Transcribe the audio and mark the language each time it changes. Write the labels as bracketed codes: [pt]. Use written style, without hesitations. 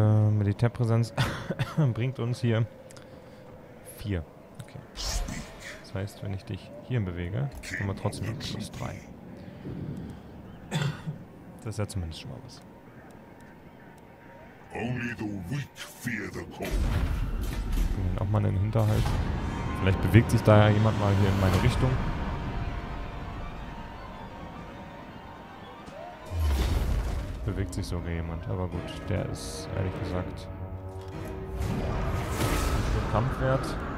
[de] Militärpräsenz bringt uns hier 4. Okay. Das heißt, wenn ich dich hier bewege, haben wir trotzdem noch plus 3. Das ist ja zumindest schon mal was. [en] Only the weak fear the cold. [de] Ich bin auch mal in den Hinterhalt. Vielleicht bewegt sich da ja jemand mal hier in meine Richtung. Bewegt sich sogar jemand, aber gut, der ist ehrlich gesagt nicht im Kampf wert.